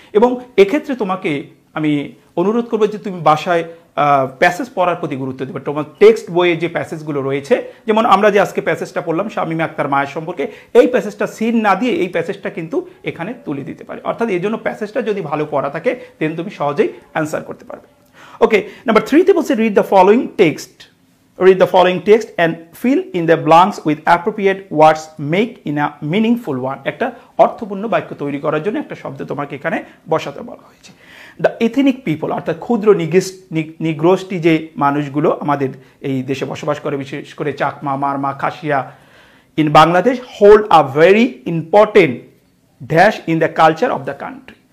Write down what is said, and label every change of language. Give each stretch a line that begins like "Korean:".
Bangla: এবং এক্ষেত্রে তোমাকে আমি অনুরোধ করবো যে তুমি বাসায় প্যাসেজ পড়ার প্রতি গুরুত্ব দেবে, তোমার টেক্সট বইয়ে যে প্যাসেজগুলো রয়েছে, যেমন আমরা যে আজকে প্যাসেজটা পড়লাম শামিমা আক্তার মায়ের সম্পর্কে, এই প্যাসেজটা সিন না দিয়ে এই প্যাসেজটা কিন্তু এখানে তুলে দিতে পারে, অর্থাৎ এর জন্য প্যাসেজটা যদি ভালো পড়া থাকে দেন তুমি সহজেই অ্যান্সার করতে পারবে।
English: Okay, number 3তে বলছে, read the following text, Read the following text and fill in the blanks with appropriate words. Make in a meaningful one.
Bangla: একটা অর্থপূর্ণ বাক্য তৈরি করার জন্য একটা শব্দ তোমাকে এখানে বসাতে বলা হয়েছে.
English: The ethnic people,
Bangla: অর্থাৎ ক্ষুদ্র নিগ্রোষ্ঠী যে মানুষগুলো আমাদের এই দেশে বসবাস করে, বিশেষ করে
English: Chakma, Marma, Khasia in Bangladesh, hold a very important dash in the culture of the country.